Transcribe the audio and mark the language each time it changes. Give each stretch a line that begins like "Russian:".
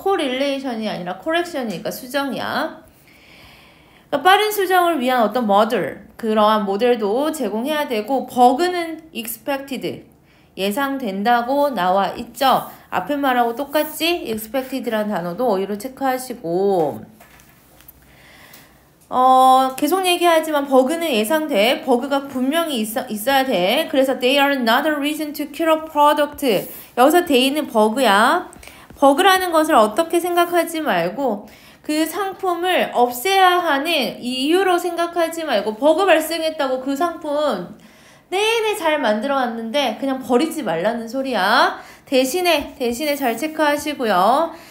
Korean: correlation이 아니라 correction이니까 수정이야. 그러니까 빠른 수정을 위한 어떤 model, 그러한 모델도 제공해야 되고, 버그는 expected, 예상된다고 나와 있죠. 앞에 말하고 똑같지? expected라는 단어도 어휘로 체크하시고. 계속 얘기하지만 버그는 예상돼. 버그가 분명히 있어야 돼.
English: 그래서 they are not a reason to kill a product.
Korean: 여기서 they는 버그야. 버그라는 것을 어떻게 생각하지 말고 그 상품을 없애야 하는 이유로 생각하지 말고 버그 발생했다고 그 상품 내내 잘 만들어 왔는데 그냥 버리지 말라는 소리야. 대신에 잘 체크하시고요.